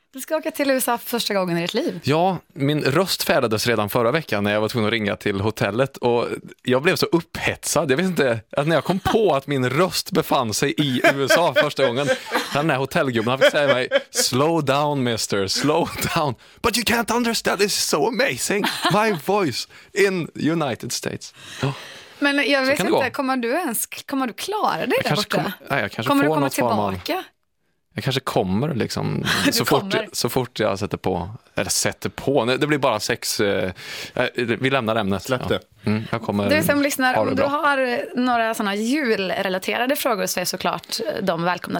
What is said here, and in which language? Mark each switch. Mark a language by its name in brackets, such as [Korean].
[Swedish] Du ska åka till USA första gången i ditt liv. Ja, min röst färdades redan förra veckan när jag var tvungen att ringa till hotellet. Och jag blev så upphetsad. Jag vet inte, att när jag kom på att min röst befann sig i USA första gången. Den här hotellgubben fick säga mig, [English] slow down mister, slow down. But you can't understand, this is so amazing. My voice in United States. Oh. [Swedish] Men jag vet inte, kommer du klara det där borta? Kommer du komma tillbaka? Jag kanske kommer liksom så fort jag sätter på. Nej, det blir bara sex. Vi lämnar ämnet. Släpp det. Ja. Mm, du som lyssnar, om du har några såna julrelaterade frågor så är såklart de välkomna.